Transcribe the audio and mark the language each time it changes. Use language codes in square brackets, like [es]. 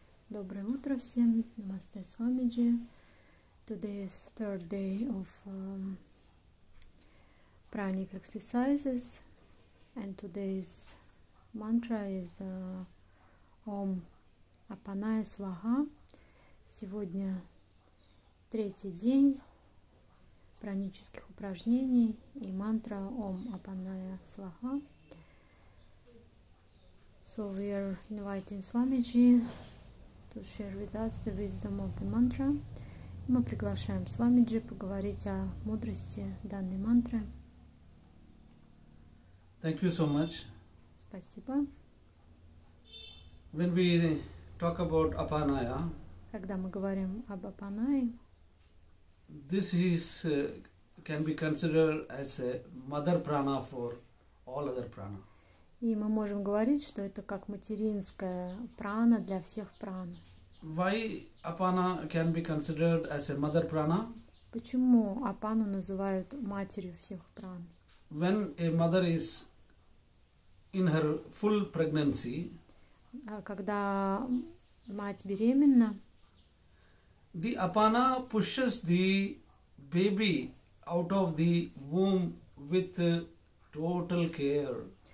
[ru] Dobre utro sem, Namaste Swamiji. [en] Today is third day of pranic exercises, and today's mantra is Om Apanaya Swaha. [ru] Сегодня третий день пранических упражнений и мантра Om Apanaya Swaha. [en] So we are inviting Swamiji to share with us the wisdom of the mantra. [ru] Мы приглашаем Swamiji поговорить о мудрости данной мантры. [en] Thank you so much. [ru] Спасибо. [en] When we talk about Apanaya, [ru] когда мы говорим об Апанае, [en] this is can be considered as a mother prana for all other prana. [ru] И мы можем говорить, что это как материнская прана для всех пран. [en] Why apana can be considered as a mother prana? [ru] Почему апану называют матерью всех пран? [en] When a mother is in her full pregnancy, [ru] когда мать беременна, [en] the apana pushes the baby out of the womb with total care.